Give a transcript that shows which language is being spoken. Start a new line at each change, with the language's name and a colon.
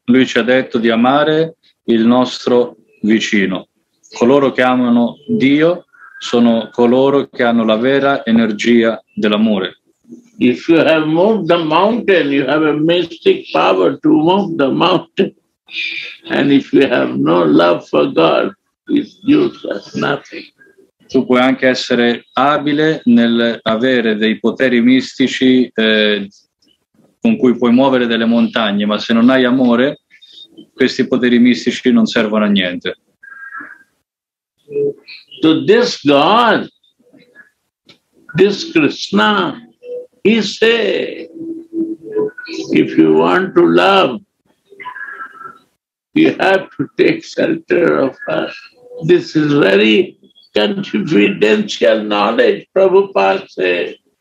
Italian: Lui ci ha detto di amare il nostro vicino. Coloro che amano Dio sono coloro che hanno la vera energia dell'amore.
English: If you have moved the mountain, you have a mystic power to move the mountain. And if you have no love for God, it's useless, nothing.
Italian: Tu puoi anche essere abile nel avere dei poteri mistici con cui puoi muovere delle montagne, ma se non hai amore, questi poteri mistici non servono a niente.
English: So this God, this Krishna, he say, if you want to love, you have to take shelter of us. This is very confidential knowledge, Prabhupada said.